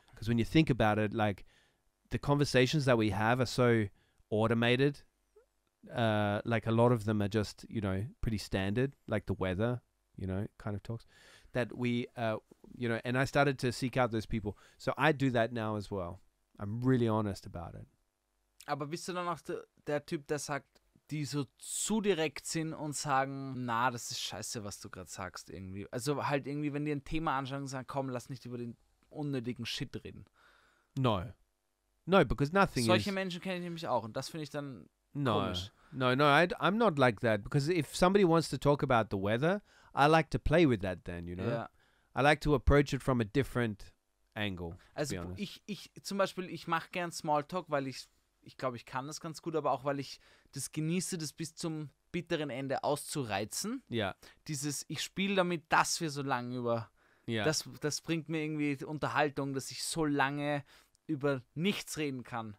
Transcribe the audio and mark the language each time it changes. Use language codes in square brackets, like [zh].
[en] Because when you think about it, like the conversations that we have are so automated. Like a lot of them are just, you know, pretty standard, like the weather, you know, kind of talks that we, you know, and I started to seek out those people. So I do that now as well. I'm really honest about it. [de] Aber bist du dann auch der Typ, der sagt, die so zu direkt sind und sagen, na, das ist scheiße, was du gerade sagst irgendwie. Also halt irgendwie, wenn die ein Thema anschauen und sagen, komm, lass nicht über den unnötigen Shit reden. [en] No. No, because nothing [de] Solche [en] is... [de] Solche Menschen kenne ich nämlich auch und das finde ich dann [en] no. [de] komisch. [en] No, I'm not like that. Because if somebody wants to talk about the weather, I like to play with that then, you know? Yeah. I like to approach it from a different angle, [de] also [en] to be honest. [de] Ich zum Beispiel, ich mache gern Smalltalk, weil ich glaube, ich kann das ganz gut, aber auch, weil ich das genieße, das bis zum bitteren Ende auszureizen. Ja. Dieses, ich spiele damit, dass wir so lange über... Ja. Das bringt mir irgendwie Unterhaltung, dass ich so lange über nichts reden kann.